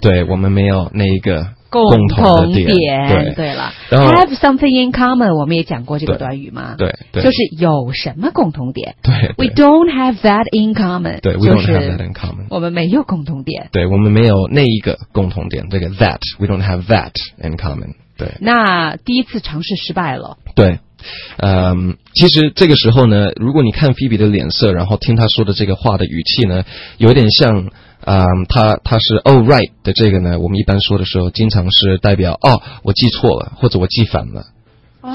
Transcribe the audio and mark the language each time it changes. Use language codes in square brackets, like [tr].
[zh] 对，我们没有那一个共同的点。对了 ， [en] have something in common， [zh] 我们也讲过这个短语嘛。对，对，就是有什么共同点。对 [en] ，We don't have that in common。 [zh] 对 [en] ，We don't have that in common。 [zh] 我们没有共同点。对，我们没有那一个共同点。这个 [en] that we don't have that in common。 [zh] 对。那第一次尝试失败了。对。其实这个时候呢，如果你看菲比的脸色，然后听他说的这个话的语气呢，有点像，他是 [en] oh right [zh] 的这个呢，我们一般说的时候，经常是代表哦，我记错了，或者我记反了。哦，